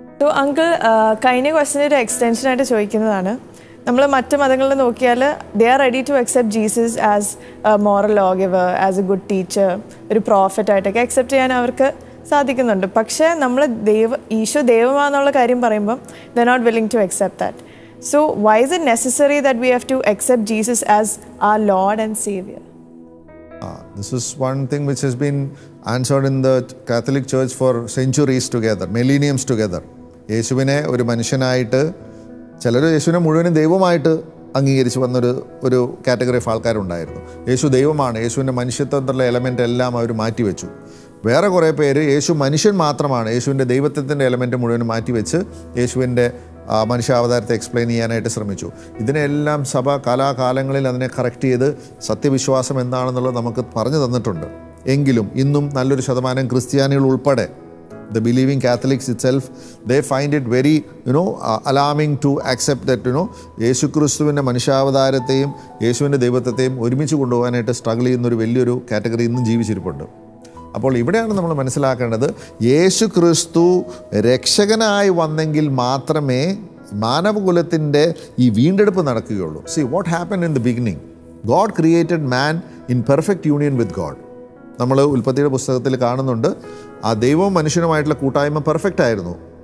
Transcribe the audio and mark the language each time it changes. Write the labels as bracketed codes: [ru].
[ml] So uncle, കഴിഞ്ഞ question ഒരു extension ആയിട്ട് ചോദിക്കുന്നതാണ്, നമ്മൾ മറ്റ് മതങ്ങളിൽ നോക്കിയാൽ [en] they are ready to accept Jesus as a moral law giver, as a good teacher, [ml] ഒരു പ്രോഫറ്റ് ആയിട്ടൊക്കെ അക്സെപ്റ്റ് ചെയ്യാൻ അവർക്ക് സാധിക്കുന്നുണ്ട്. പക്ഷേ നമ്മൾ ഈശോ ദൈവമാണെന്നുള്ള കാര്യം പറയുമ്പം [en] They not willing to accept that. So why is it necessary that we have to accept Jesus as a Lord and saviour? This is one thing which has been answered in the Catholic Church for centuries together, millenniums together. [ml] യേശുവിനെ ഒരു മനുഷ്യനായിട്ട്, ചിലർ യേശുവിനെ മുഴുവനും ദൈവമായിട്ട് അംഗീകരിച്ച് വന്നൊരു ഒരു കാറ്റഗറി ഓഫ് ആൾക്കാരുണ്ടായിരുന്നു. യേശു ദൈവമാണ്, യേശുവിൻ്റെ മനുഷ്യത്വത്തിലുള്ള എലമെൻ്റ് എല്ലാം അവർ മാറ്റിവെച്ചു. വേറെ കുറേ പേര് യേശു മനുഷ്യൻ മാത്രമാണ്, യേശുവിൻ്റെ ദൈവത്വത്തിൻ്റെ എലമെൻ്റ് മുഴുവനും മാറ്റിവെച്ച് യേശുവിൻ്റെ മനുഷ്യാവതാരത്തെ എക്സ്പ്ലെയിൻ ചെയ്യാനായിട്ട് ശ്രമിച്ചു. ഇതിനെല്ലാം സഭ കലാകാലങ്ങളിൽ അതിനെ കറക്റ്റ് ചെയ്ത് സത്യവിശ്വാസം എന്താണെന്നുള്ളത് നമുക്ക് പറഞ്ഞു തന്നിട്ടുണ്ട്. എങ്കിലും ഇന്നും നല്ലൊരു ശതമാനം ക്രിസ്ത്യാനികൾ ഉൾപ്പെടെ [en] the believing Catholics itself, they find it very, alarming to accept that, [ml] Yesu Christuvinte manushavadharatheyum Yesuvinte devathatheyum orumichu konduvanayittu struggle cheyyunna oru velliya oru category innum jeevichirippundu. അപ്പോൾ ഇവിടെയാണ് നമ്മൾ മനസ്സിലാക്കേണ്ടത്, യേശു ക്രിസ്തു രക്ഷകനായി വന്നെങ്കിൽ മാത്രമേ മാനവകുലത്തിൻ്റെ ഈ വീണ്ടെടുപ്പ് നടക്കുകയുള്ളൂ. [en] See what happen in the beginning, God created man in perfect union with God. [ml] നമ്മൾ ഉൽപ്പത്തിയുടെ പുസ്തകത്തിൽ കാണുന്നുണ്ട്, ആ ദൈവവും മനുഷ്യനുമായിട്ടുള്ള കൂട്ടായ്മ പെർഫെക്റ്റ് ആയിരുന്നു.